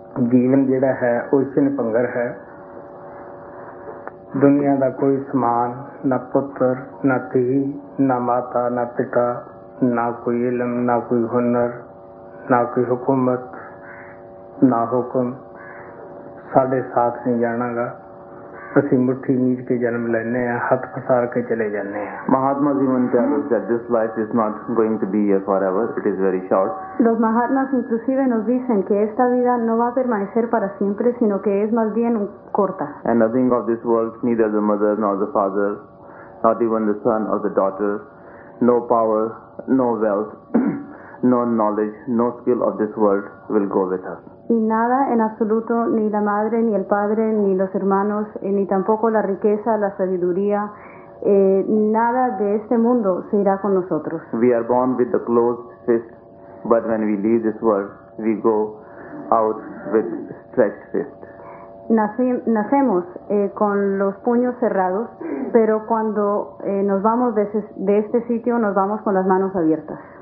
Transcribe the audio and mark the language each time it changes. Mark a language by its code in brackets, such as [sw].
[pa] ਜੀਵਨ ਜਿਹੜਾ ਹੈ ਉਹ ਚਿੰਨ ਪੰਗਰ ਹੈ ਦੁਨੀਆਂ ਦਾ ਕੋਈ ਸਮਾਨ ਨਾ ਪੁੱਤਰ ਨਾ ਧੀ ਨਾ ਮਾਤਾ ਨਾ ਪਿਤਾ ਨਾ ਕੋਈ ਇਲਮ ਨਾ ਕੋਈ ਹੁਨਰ ਨਾ ਕੋਈ ਹਕੂਮਤ ਨਾ ਹੁਕਮ ਸਾਡੇ ਸਾਥ ਨਹੀਂ ਜਾਣਾਗਾ ਅਸੀਂ ਮੁੱਠੀ ਮੀਚ ਕੇ ਜਨਮ ਲੈਂਦੇ ਹਾਂ ਹੱਥ ਫਸਾਰ ਕੇ ਚਲੇ ਜਾਂਦੇ ਹਾਂ ਮਹਾਤਮਾ ਜੀਵਨ [en] this life is not going to be here forever it is very short [es] Los Mahatmas inclusive nos dicen que esta vida no va a permanecer para siempre, sino que es más bien corta. [en] And nothing of this world, neither the mother nor the father, not even the son or the daughter, no power, no wealth, no knowledge, no skill of this world will go with us. [es] Y nada en absoluto, ni la madre, ni el padre, ni los hermanos, ni tampoco la riqueza, la sabiduría, nada de este mundo se irá con nosotros. [en] We are born with a closed fist, but when we leave this world, we go out with stretched fist. [es] Nacemos con los puños cerrados, pero cuando nos vamos de este sitio, nos vamos con las manos abiertas.